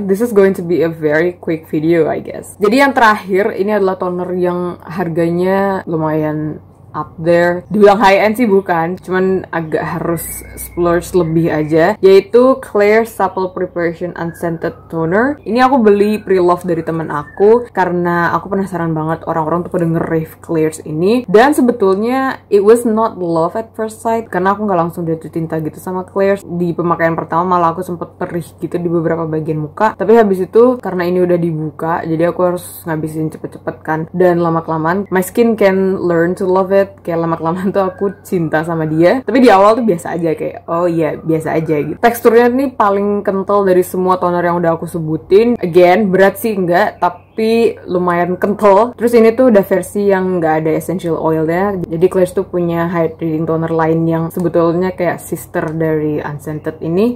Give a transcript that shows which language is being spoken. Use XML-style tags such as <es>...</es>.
<en>This is going to be a very quick video, I guess.</en> <id>Jadi yang terakhir, ini adalah toner yang harganya lumayan up there. Dibilang high-end sih bukan, cuman agak harus splurge lebih aja, yaitu Clair Supple Preparation Unscented Toner. Ini aku beli pre-love dari teman aku, karena aku penasaran banget orang-orang tuh pada nge-rave Clairs ini. Dan sebetulnya,</id> <en>it was not love at first sight,</en> <id>karena aku nggak langsung jatuh cinta gitu sama Clairs. Di pemakaian pertama malah aku sempet perih gitu di beberapa bagian muka, tapi habis itu karena ini udah dibuka, jadi aku harus ngabisin cepet-cepet kan. Dan lama-kelamaan,</id> <en>my skin can learn to love it.</en> <id>Kayak lama-kelamaan tuh aku cinta sama dia. Tapi di awal tuh biasa aja, kayak oh iya, biasa aja gitu. Teksturnya ini paling kental dari semua toner yang udah aku sebutin. Again, berat sih enggak, tapi lumayan kental. Terus ini tuh udah versi yang nggak ada essential oilnya. Jadi Clairs tuh punya hydrating toner lain yang sebetulnya kayak sister dari unscented ini.</id>